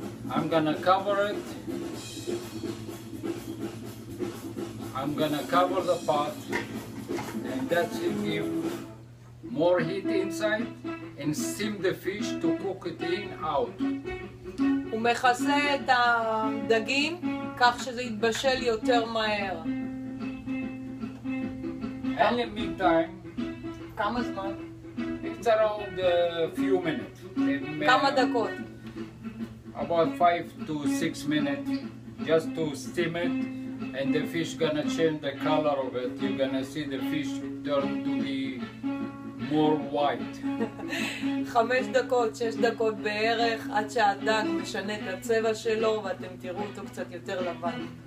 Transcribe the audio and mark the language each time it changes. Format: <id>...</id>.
<en>I'm gonna cover the pot, and that's it. Give more heat inside and steam the fish to cook it in out.</en> <he>הוא מכסה את הדגים כך שזה יתבשל יותר מהר.</he> <en>And in the meantime,</en> <he>כמה זמן?</he> <en>It's around a few minutes.</en> <he>כמה דקות?</he> <en>About 5 to 6 minutes, just to steam it, and the fish gonna change the color of it. You're gonna see the fish turn to be more white.</en> <he>5 דקות, 6 דקות בערך, עד שהדג משנה את הצבע שלו, ואתם תראו אותו קצת יותר לבן.</he>